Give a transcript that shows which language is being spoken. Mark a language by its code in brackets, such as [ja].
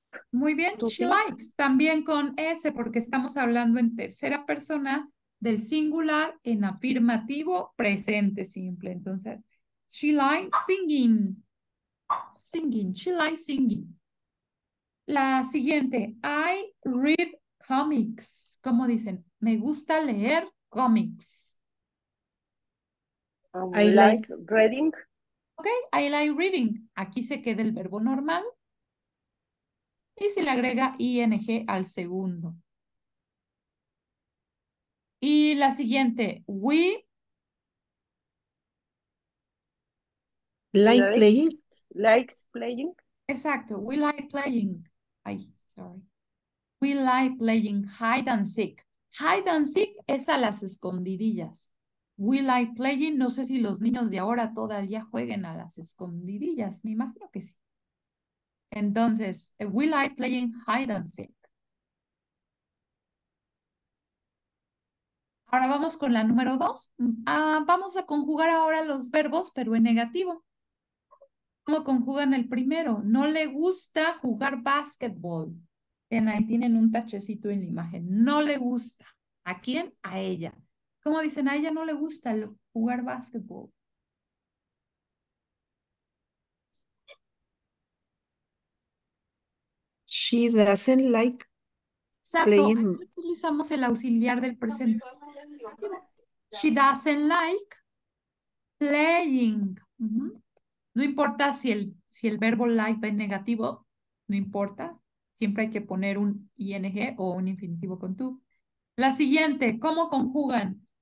[es] Muy bien, [en] she likes, [es] también con S, porque estamos hablando en tercera persona del singular en afirmativo presente simple. Entonces, [en] she likes singing. Singing, she likes singing. [es] La siguiente, [en] I read comics. [es] ¿Cómo dicen? Me gusta leer cómics. [en] I like reading. Ok, I like reading. [es] Aquí se queda el verbo normal. Y se le agrega ing al segundo. Y la siguiente, we [en] like playing. Likes playing. [es] Exacto, [en] we like playing. Ay, sorry. We like playing hide and seek. Hide and seek [es] es a las escondidillas. [en] We like playing. [es] No sé si los niños de ahora todavía jueguen a las escondidillas. Me imagino que sí. Entonces, [en] we like playing hide and seek. [es] Ahora vamos con la número dos. Vamos a conjugar ahora los verbos, pero en negativo. ¿Cómo conjugan el primero? No le gusta jugar basketball. Bien, ahí tienen un tachecito en la imagen. No le gusta. ¿A quién? A ella. ¿Cómo dicen? A ella no le gusta el jugar básquetbol. [en] She doesn't like [es] Exacto. Aquí [en] playing. [es] utilizamos el auxiliar del presente. [en] She doesn't like playing. [es] No importa si el verbo like va en negativo, no importa. Siempre hay que poner un ing o un infinitivo con tú. La siguiente, ¿cómo conjugan?